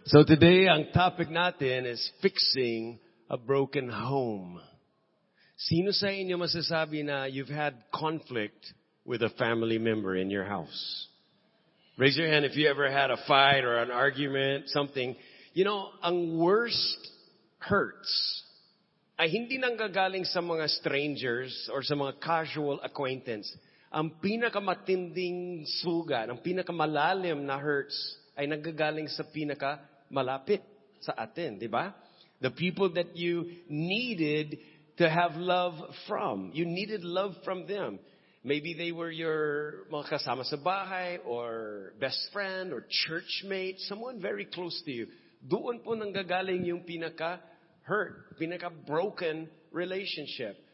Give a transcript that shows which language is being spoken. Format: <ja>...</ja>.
<en>So today, ang topic natin is fixing a broken home.</en> <tl>Sino sa inyo masasabi na</tl> <en>you've had conflict with a family member in your house? Raise your hand if you ever had a fight or an argument, something. You know,</en> <tl>ang</tl> <en>worst hurts</en> <tl>ay hindi nanggagaling sa mga strangers or sa mga</tl> <en>casual acquaintance.</en> <tl>Ang pinakamatinding sugat, ang pinakamalalim na hurts ay nanggagaling sa pinakamalapit sa atin, di ba?</tl> <en>The people that you needed to have love from. You needed love from them. Maybe they were your</en> <tl>mga kasama sa bahay</tl> <en>or best friend or churchmate, someone very close to you.</en> <tl>Doon po nanggagaling yung pinaka-hurt, pinaka-broken relationship.</tl>